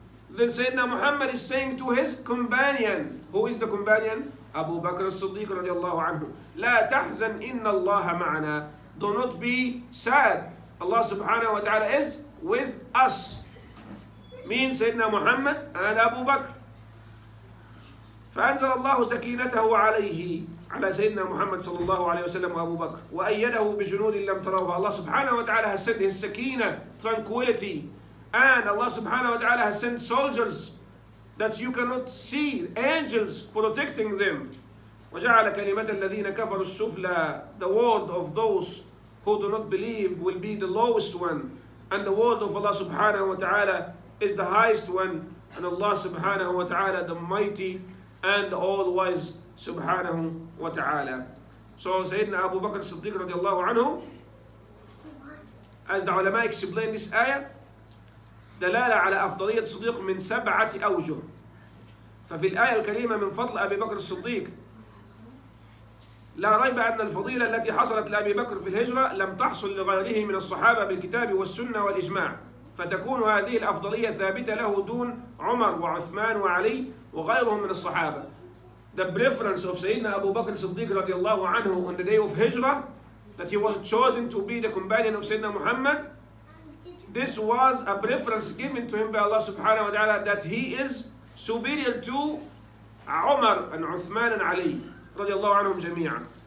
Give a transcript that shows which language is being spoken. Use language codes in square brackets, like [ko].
[en] Then Sayyidina Muhammad is saying to his companion. Who is the companion? Abu Bakr al-Siddiq radiallahu anhu. [ar] لا تحزن إن الله معنا. [en] Do not be sad. Allah subhanahu wa ta'ala is with us. Mean Sayyidina Muhammad and Abu Bakr. [ar] فأنزل الله سكينته عليه على سيدنا محمد صلى الله عليه وسلم وأبو بكر وأيده بجنود لم تروها. [en] الله سبحانه وتعالى has sent his سكينة tranquility, and Allah سبحانه وتعالى has sent soldiers that you cannot see, angels protecting them. [ar] وجعل كلمة الذين كفروا السفلى, [en] the word of those who do not believe will be the lowest one, and the word of Allah سبحانه وتعالى is the highest one, and Allah سبحانه وتعالى the mighty and all wise subhanahu wa ta'ala. So Sayyidina Abu Bakr Siddiq radiallahu anhu, as the ulama explain this ayah, [ar] dalala ala afdaliyat Siddiq min sab'ati awjuh. ففي الآية الكريمة من فضل أبي بكر الصديق لا ريب أن الفضيلة التي حصلت لأبي بكر في الهجرة لم تحصل لغيره من الصحابة بالكتاب والسنة والإجماع, فتكون هذه الأفضلية ثابتة له دون عمر وعثمان وعلي وغيرهم من الصحابة. [en] The preference of Sayyidina Abu Bakr Siddiq radiallahu anhu on the day of Hijrah, that he was chosen to be the companion of Sayyidina Muhammad, this was a preference given to him by Allah subhanahu wa ta'ala, that he is superior to Umar and Uthman and Ali radiallahu anhum jami'a.